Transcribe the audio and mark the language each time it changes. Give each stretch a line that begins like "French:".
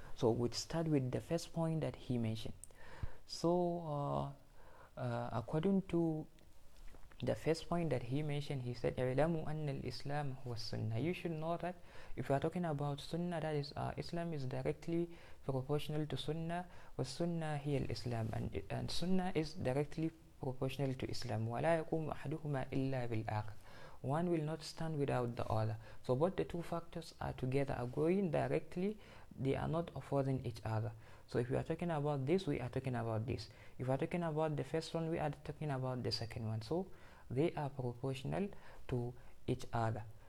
English: So we'd start with the first point that he mentioned. So according to the first point that he mentioned, he said,
Arabic: "Ilamu an al-Islam huwa sunnah."
English: You should know that if you are talking about sunnah, that is, Islam is directly proportional to sunnah,
Arabic: was sunnah hiya al-Islam,
English: and sunnah is directly proportional to Islam.
Arabic: ولا يقوم أحدهما إلا بالآخر.
English: One will not stand without the other. So both the two factors are together, are going directly they are not affording each other. So if we are talking about this, we are talking about this. If we are talking about the first one, we are talking about the second one. So they are proportional to each other.